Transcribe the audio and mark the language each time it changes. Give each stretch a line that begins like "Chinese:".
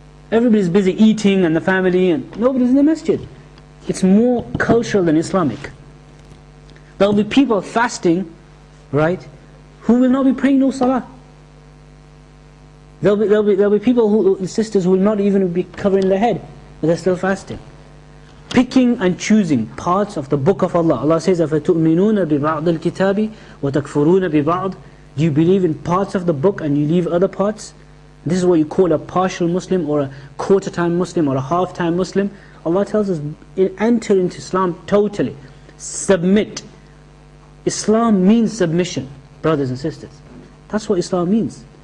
English: Everybody's busy eating and the family and nobody's in the masjid. It's more cultural than Islamic. There'll be people fasting, right, who will not be praying no salah. There'll be people who, sisters who will not even be covering their head, but they're still fasting. Picking and choosing parts of the Book of Allah.
Arabic: Allah says, أَفَتُؤْمِنُونَ بِبَعْضِ الْكِتَابِ وَتَكْفُرُونَ بِبَعْضِ.
English: Do you believe in parts of the book and you leave other parts? This is what you call a partial Muslim or a quarter time Muslim or a half time Muslim. Allah tells us, enter into Islam totally. Submit. Islam means submission, brothers and sisters. That's what Islam means.